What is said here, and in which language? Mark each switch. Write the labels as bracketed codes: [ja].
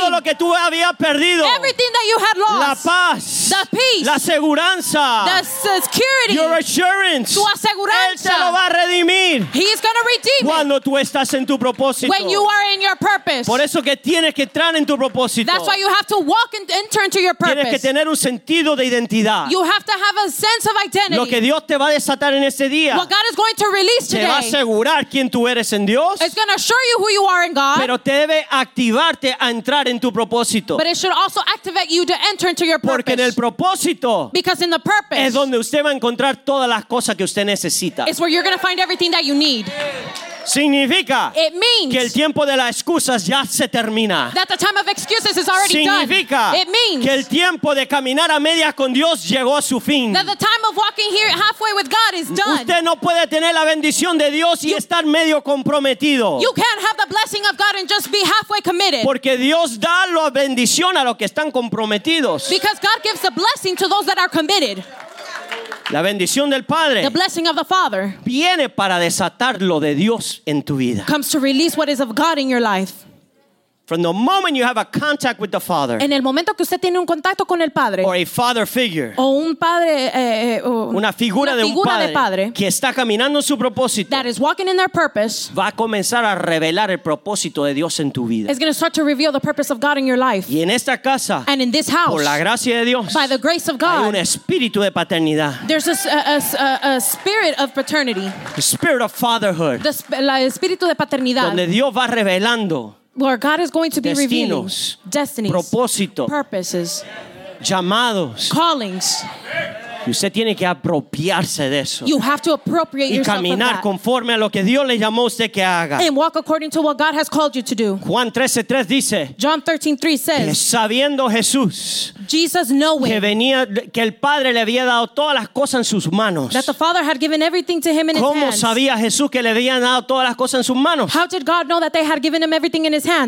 [es] todo lo que tú habías perdido. [en] Everything that you had lost. [es] La paz. [en] The peace. [es] La seguranza. [en] The security. Your assurance. [es] Tu aseguranza. Él te lo va a redimir. [en] He's going to redeem [es] cuando tú estás en tu propósito. [en] When you are in your purpose. [es] Por eso que tienes que entrar en tu propósito. [en] That's why you have to walk and enter into your purpose. [es] Tienes que tener un sentido de identidad. [en] You have to have a sense of identity. [es] Lo que Dios te va a desatar en ese día. [en] What God is going to release today. [es] Te va a asegurar quién tú eres en Dios. [en] It's going to assure you who you are in God. [es] Pero te debe activarte a entrar en tu propósito. [en] But it should also activate you to enter into your purpose. [es] Porque en el propósito. [en] Because in the purpose. [es] Es donde usted va a encontrar todas las cosas que usted necesita. [en] It's where you're going to find everything that you need. [es] Significa. [en] It means. [es] Que el tiempo de las excusas ya se termina. [en] That the time of excuses is already [es] significa [en] done. It means. [es] Que el tiempo de caminar a medias con Dios llegó a su fin. [en] That the time of walking here halfway with God is done. [es] Usted no puede tener la bendición de Dios y estar medio comprometido. [en] You can't have the blessing of God and just be halfway committed. [es] Porque Dios da la bendición a los que están comprometidos. [en] Because God gives the blessing to those that are committed. [es] La bendición del Padre. [en] The blessing of the Father. [es] Viene para desatar lo de Dios en tu vida. [en] Comes to release what is of God in your life. From the moment you have a contact with the Father. [es] En el momento que usted tiene un contacto con el Padre. [en] Or a father figure. [es] O un padre, una figura de un padre, de padre. Que está caminando en su propósito. [en] That is walking in their purpose. [es] Va a comenzar a revelar el propósito de Dios en tu vida. [en] It's going to start to reveal the purpose of God in your life. [es] Y en esta casa. [en] And in this house. [es] Por la gracia de Dios. [en] By the grace of God. [es] Hay un espíritu de paternidad. [en] There's a spirit of paternity. The spirit of fatherhood. [es] El espíritu de paternidad. Donde Dios va revelando. [en] Where God is going to be [es] destinos, [en] revealing destinies, [es] propósito, [en] purposes, [es] llamados, [en] callings. [es] Y usted tiene que apropiarse de eso. [en] You have to appropriate [es] y caminar conforme a lo que Dios le llamó a usted que haga. [en] And walk according to what God has called you to do. [es] Juan 13:3 dice. [en] John 13:3 says. [es] Sabiendo Jesús. [en] Jesus knowing. [es] Que venía, que el Padre le había dado todas las cosas en sus manos. [en] That the Father had given everything to him in his hands. [es] ¿Cómo sabía Jesús que le habían dado todas las cosas en sus manos? [en] How did God know that they had given him everything in his hands?